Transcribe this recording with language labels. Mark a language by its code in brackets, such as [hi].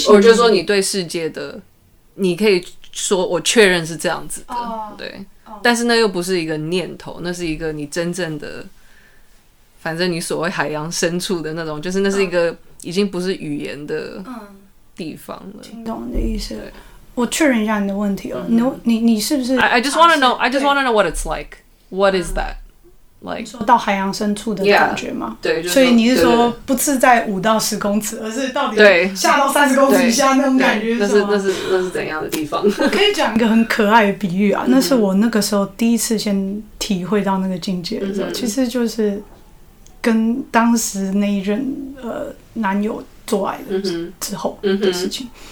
[zh] 或者说你对世界的，你可以说我确认是这样子的，对，但是那又不是一个念头，那是一个你真正的，反正你所谓海洋深处的那种，就是那是一个已经不是语言的地方了。听懂你的意思？我确认一下你的问题哦，你是不是 [en] ？I just want to know what it's like. What is that? Like, [zh] 说到海洋深处的感觉吗？ Yeah, 对，就是，所以你是说不是在5到10公尺，而是到底下到30公尺以下那种感觉是吗？那是怎样的地方？我可以讲一个很可爱的比喻啊，那是我那个时候第一次先体会到那个境界的时候，其实就是跟当时那一任男友做爱的之后的事情。